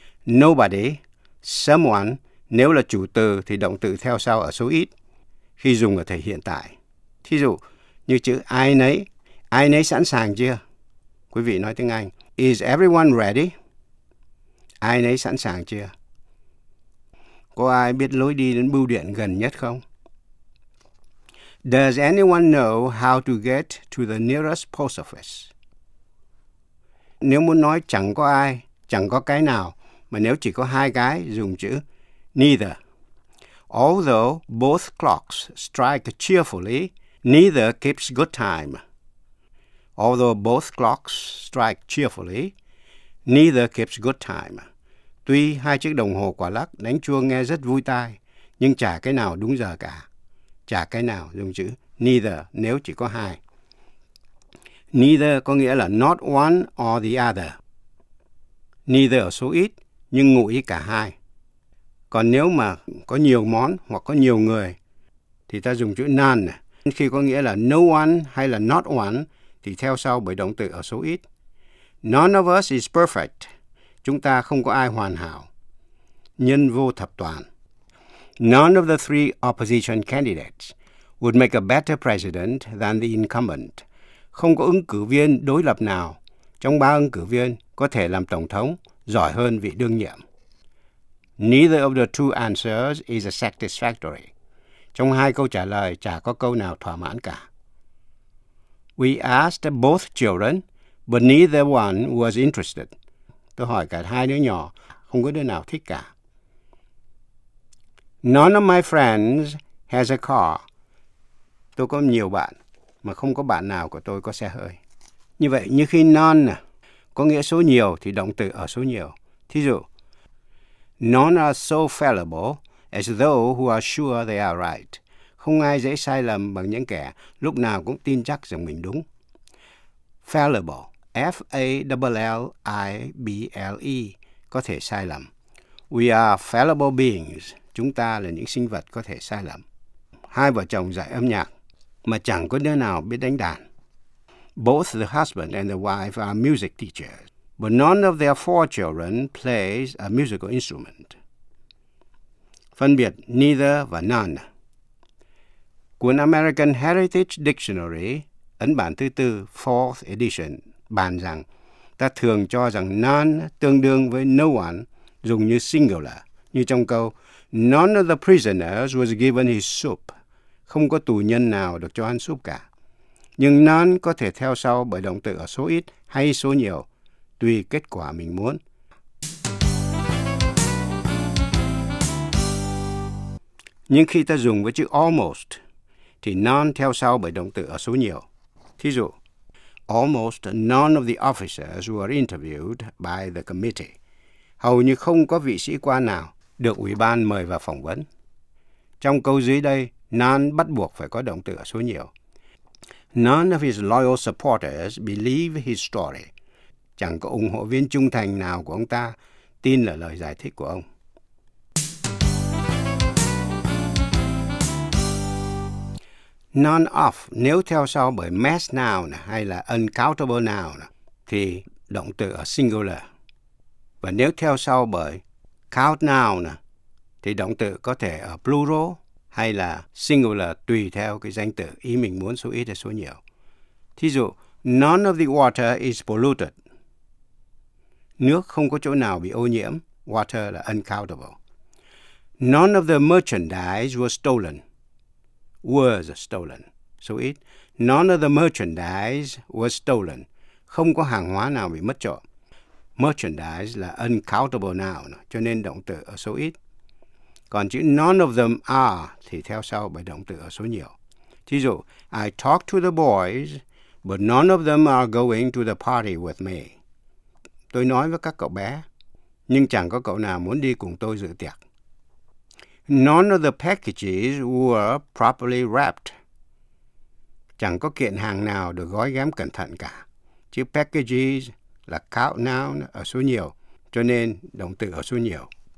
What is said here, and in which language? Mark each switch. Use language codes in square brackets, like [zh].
[vi] Nobody, someone, nếu là chủ từ thì động từ theo sau ở số ít, khi dùng ở thể hiện tại. Thí dụ, như chữ ai nấy sẵn sàng chưa? Quý vị nói tiếng Anh, [en] is everyone ready? [vi] Ai nấy sẵn sàng chưa? Có ai biết lối đi đến bưu điện gần nhất không? [en] Does anyone know how to get to the nearest post office? [vi] Nếu muốn nói chẳng có ai, chẳng có cái nào, mà nếu chỉ có hai cái, dùng chữ neither. [en] Although both clocks strike cheerfully, neither keeps good time. Although both clocks strike cheerfully, neither keeps good time. [vi] Tuy hai chiếc đồng hồ quả lắc đánh chuông nghe rất vui tai, nhưng chả cái nào đúng giờ cả. Chả cái nào, dùng chữ neither nếu chỉ có hai. Neither có nghĩa là [en] not one or the other. [vi] Neither ở số ít, nhưng ngụ ý cả hai. Còn nếu mà có nhiều món hoặc có nhiều người, thì ta dùng chữ none. Khi có nghĩa là no one hay là not one, thì theo sau bởi động từ ở số ít. [en] None of us is perfect. [vi] Chúng ta không có ai hoàn hảo. Nhân vô thập toàn. [en] None of the three opposition candidates would make a better president than the incumbent. [vi] Không có ứng cử viên đối lập nào trong ba ứng cử viên có thể làm tổng thống giỏi hơn vị đương nhiệm. [en] Neither of the two answers is satisfactory. [vi] Trong hai câu trả lời, chả có câu nào thỏa mãn cả. [en] We asked both children, but neither one was interested. [vi] Tôi hỏi cả hai đứa nhỏ, không có đứa nào thích cả. [en] None of my friends has a car. [vi] Tôi có nhiều bạn, mà không có bạn nào của tôi có xe hơi. Như vậy, như khi none có nghĩa số nhiều thì động từ ở số nhiều. Thí dụ, [en] none are so fallible as those who are sure they are right. [vi] Không ai dễ sai lầm bằng những kẻ lúc nào cũng tin chắc rằng mình đúng. Fallible, F-A-L-L-I-B-L-E, có thể sai lầm. [en] We are fallible beings. [vi] Chúng ta là những sinh vật có thể sai lầm. Hai vợ chồng dạy âm nhạc, mà chẳng có đứa nào biết đánh đàn. [en] Both the husband and the wife are music teachers, but none of their four children plays a musical instrument. [vi] Phân biệt neither và none. Cuốn American Heritage Dictionary, ấn bản thứ tư, fourth edition, bàn rằng ta thường cho rằng none tương đương với no one, dùng như singular, như trong câu [en] None of the prisoners was given his soup. [vi] Không có tù nhân nào được cho ăn súp cả. Nhưng none có thể theo sau bởi động từ ở số ít hay số nhiều, tùy kết quả mình muốn. Nhưng khi ta dùng với chữ almost, thì none theo sau bởi động từ ở số nhiều. Thí dụ, [en] almost none of the officers were interviewed by the committee. [vi] Hầu như không có vị sĩ quan nào được ủy ban mời vào phỏng vấn. Trong câu dưới đây, none bắt buộc phải có động từ ở số nhiều. [en] None of his loyal supporters believe his story. [vi] Chẳng có ủng hộ viên trung thành nào của ông ta tin là lời giải thích của ông. None of, nếu theo sau bởi mass noun hay là uncountable noun, thì động từ ở singular. Và nếu theo sau bởi count noun, thì động từ có thể ở plural hay là singular tùy theo cái danh từ ý mình muốn số ít hay số nhiều. Thí dụ, [en] none of the water is polluted. [vi] Nước không có chỗ nào bị ô nhiễm. [en] Water là uncountable. None of the merchandise was stolen. Was stolen. [vi] Số ít. [en] None of the merchandise was stolen. [vi] Không có hàng hóa nào bị mất trộm. Merchandise là uncountable noun, cho nên động từ ở số ít. Còn chữ none of them are thì theo sau bởi động từ ở số nhiều. Thí dụ, [en] I talked to the boys, but none of them are going to the party with me. [vi] Tôi nói với các cậu bé, nhưng chẳng có cậu nào muốn đi cùng tôi dự tiệc. [en] None of the packages were properly wrapped. [vi] Chẳng có kiện hàng nào được gói ghém cẩn thận cả. Chữ packages là count noun ở số nhiều, cho nên động từ ở số nhiều.